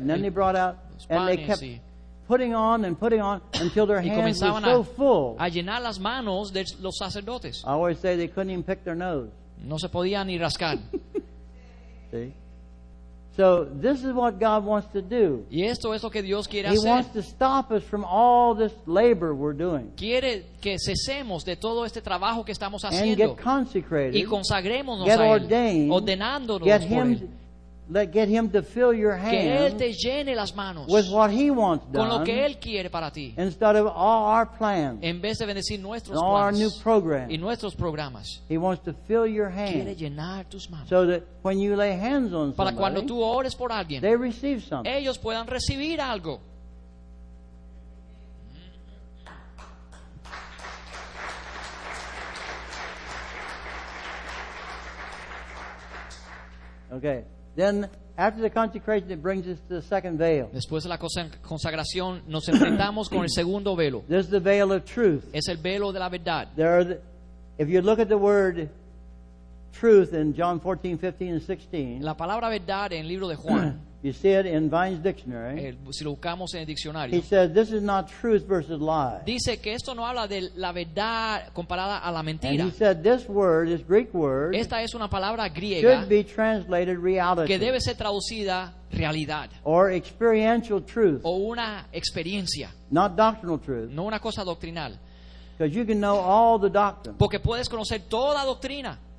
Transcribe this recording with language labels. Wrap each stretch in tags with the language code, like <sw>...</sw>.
<en>And then they brought out and they kept putting on and putting on until their hands were so full.</en> <es>A llenar las manos de los sacerdotes.</es> <en>I always say they couldn't even pick their nose.</en> <es>No se podía ni rascar.</es> <en>See? So this is what God wants to do.</en> <es>Y esto es lo que Dios quiere</es> <en>he</en> <es>hacer.</es> <en>Wants to stop us from all this labor we're doing.</en> <es>Quiere que cesemos de todo este trabajo que estamos haciendo.</es> <en>And get consecrated.</en> <es>Y consagrémonos</es> <en>get</en> <es>a él,</es> <en>ordained.</en> <es>Ordenándonos</es> <en>get him. Let get him to fill your hands</en> <es>que él te llene las manos</es> <en>with what he wants done</en> <es>con lo que él quiere para ti.</es> <en>Instead of all our plans</en> <es>en vez de bendecir nuestros</es> <en>and all</en> <es>planes</es> <en>our new programs.</en> <es>Y nuestros programas.</es> <en>He wants to fill your hands</en> <es>quiere llenar tus manos.</es> <en>So that when you lay hands on</en> <es>para</es> <en>somebody</en> <es>cuando tú ores por alguien,</es> <en>they receive something.</en> <es>Ellos puedan recibir algo.</es> <en>Okay. Then, after the consecration, it brings us to the second veil.</en> <es>Después de la consagración, nos enfrentamos con el segundo velo.</es> <en>This is the veil of truth.</en> <es>Es el velo de la verdad.</es> <en>There are if you look at the word truth in John 14, 15, and 16,</en> <es>la palabra verdad en el libro de Juan,</es> <en>you see it in Vine's dictionary.</en> <es>Si lo buscamos en el diccionario,</es> <en>he says this is not truth versus lie.</en> <es>Dice que esto no habla de la verdad comparada a la mentira.</es> <en>And he said this word, this Greek word,</en> <es>esta es una palabra griega,</es> <en>should be translated reality.</en> <es>Que debe ser traducida realidad.</es> <en>Or experiential truth.</en> <es>O una experiencia.</es> <en>Not doctrinal truth.</en> <es>No una cosa doctrinal.</es> <en>Because you can know all the doctrine.</en> <es>Porque puedes conocer toda la doctrina.</es>